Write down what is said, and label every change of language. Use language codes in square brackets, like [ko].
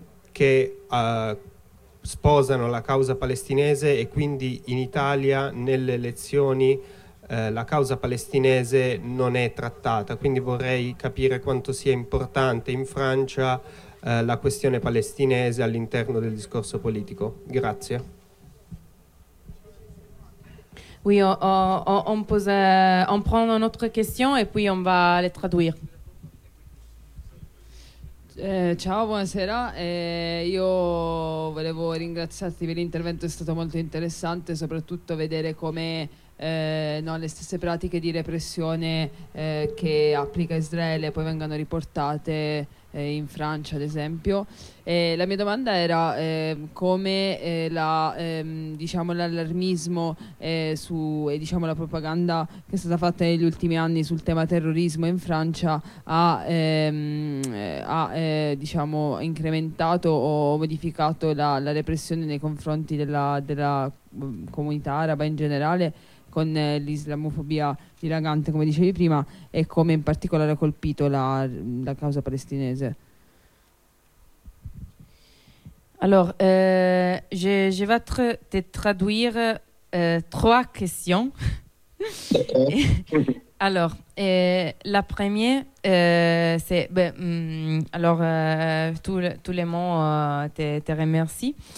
[it] che sposano la causa palestinese, e quindi in Italia nelle elezioni la causa palestinese non è trattata. Quindi vorrei capire quanto sia importante in Francia la questione palestinese all'interno del discorso politico. Grazie. [fr] Oui, on pose, on prend une autre question et puis on va le traduire. [it] Ciao, buonasera. Io volevo ringraziarti per l'intervento, è stato molto interessante, soprattutto vedere come no, le stesse pratiche di repressione che applica Israele poi vengano riportate in Francia, ad esempio. La mia domanda era come la, diciamo, l'allarmismo su, e diciamo, la propaganda che è stata fatta negli ultimi anni sul tema terrorismo in Francia ha, ha diciamo, incrementato o modificato la, la repressione nei confronti della, della comunità araba in generale, con l'islamofobia dilagante, come dicevi prima, e come in particolare ha colpito la, la causa palestinese. [fr] Alors, je vais te traduire trois questions. Alors, la première, c'est, ben, alors, tous les mots, te remercie.